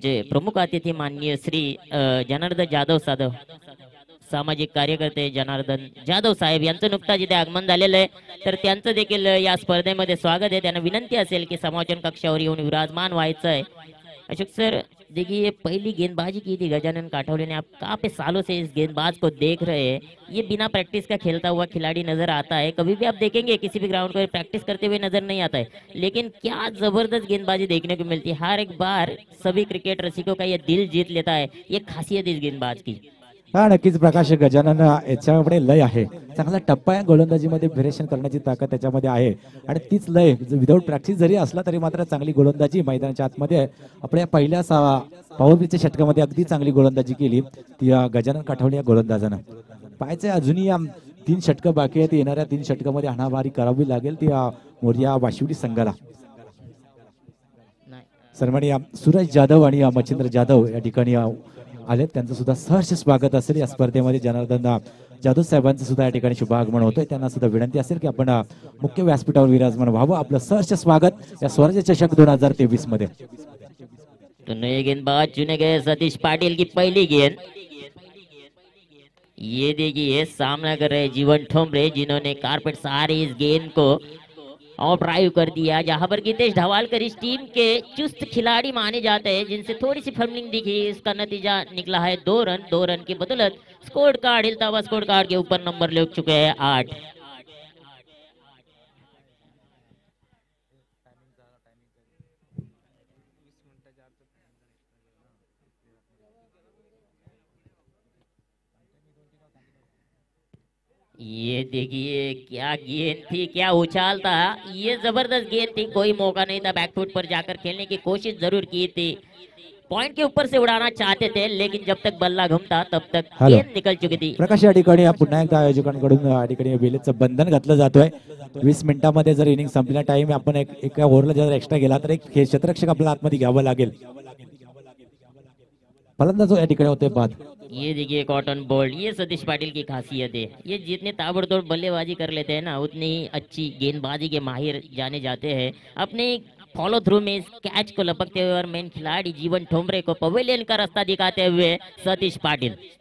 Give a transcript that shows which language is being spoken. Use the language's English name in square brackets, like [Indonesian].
[Marathi] प्रमुख अतिथि माननीय श्री जनार्दन जाधव साधव, सामाजिक कार्यकर्ते जनार्दन जाधव साहेब यांचं नुकताच इथे आगमन झालेलं आहे, तर त्यांचं देखील या स्पर्धेमध्ये स्वागत आहे। त्यांना विनंती असेल की समोरच्या कक्षावर येऊन विराजमान व्हायचं आहे। [Hindi] अशोक सर देखिए पहिली गेंदबाजी की थी गजानन काठोले ने, आप काफी सालों से इस गेंदबाज को देख रहे हैं, ये बिना प्रैक्टिस का खेलता हुआ खिलाड़ी नजर आता है, कभी भी आप देखेंगे किसी भी ग्राउंड पर प्रैक्टिस करते हुए नजर नहीं आता है, लेकिन क्या जबरदस्त गेंदबाजी देखने को मिलती है, हर एक बार सभी क्रिकेट रसिकों का ये दिल जीत लेता है, ये खासियत इस गेंदबाज की। [Marathi] हाँ नक्कीच प्रकाश, गजानन याच्यामध्ये लय आहे, चांगला टप्पा आहे, गोलंदाजी मध्ये व्हेरिएशन करण्याची ताकद त्याच्यामध्ये आहे, आणि तीच लय विदाउट प्रॅक्टिस जरी असला तरी मात्र चांगली गोलंदाजी मैदानाच्या आतमध्ये आपल्या पहिल्या पावभरीच्या षटकामध्ये अगदी चांगली गोलंदाजी केली ती गजानन काठवले या गोलंदाजानं। पाहायचंय अजूनही तीन षटकं बाकी आहेत, येणाऱ्या तीन षटकामध्ये हाणाबारी करावी लागेल ती मोर्या वाशिवडी संघाला। सर म्हणजे सुरज जाधव आणि मच्छिंद्र जाधव या ठिकाणी आलेत, त्यांचं सुद्धा सहर्ष स्वागत असेल या स्पर्धेमध्ये। जनार्दन जाधव साहेबांचं सुद्धा या ठिकाणी शुभ आगमन होतंय, त्यांना सुद्धा विनंती असेल की आपण मुख्य व्यासपीठावर विराजमान व्हावं, आपलं सहर्ष स्वागत या स्वराज्य चषक 2023 मध्ये। [Hindi] नये गेंदबाज चुने गए सतीश पाटील की पहिली गेंद, ये देखिए सामना कर रहे जीवन ठोंबरे जिन्होंने कार्पेट सारी इस गेंद को और ड्राइव कर दिया, जहां पर गीतेश ढवालकर इस टीम के चुस्त खिलाड़ी माने जाते हैं, जिनसे थोड़ी सी फंबलिंग दिखी, इसका नतीजा निकला है दो रन, दो रन की बदौलत स्कोर कार्ड हिलता हुआ स्कोर कार्ड के ऊपर नंबर लग चुके हैं आठ। ये देखिए क्या गेंद थी, क्या उछाल था, ये जबरदस्त गेंद थी, कोई मौका नहीं था बैकफुट पर जाकर खेलने की कोशिश जरूर की थी, पॉइंट के ऊपर से उड़ाना चाहते थे लेकिन जब तक बल्ला घूमता तब तक गेंद निकल चुकी थी। [Marathi] प्रकाश या ठिकाणी पुन्हा एकदा आयोजकांकडून या ठिकाणी वेळेचं बंधन घातलं जातोय, 20 मिनिटांमध्ये जर इनिंग संपली टाइम आपण एक ओव्हरला जर एक्स्ट्रा गेला तर एक क्षेत्ररक्षक आपल्या आतमध्ये घ्यावं लागेल, फलंदाज या ठिकाणी होते बाद। [Hindi] ये देखिए कॉटन बॉल, ये सतीश पाटिल की खासियत है, ये जितने ताबड़तोड़ बल्लेबाजी कर लेते हैं ना उतनी ही अच्छी गेंदबाजी के माहिर जाने जाते हैं, अपने फॉलो थ्रू में इस कैच को लपकते हुए और मेन खिलाड़ी जीवन ठोंबरे को पवेलियन का रास्ता दिखाते हुए सतीश पाटिल।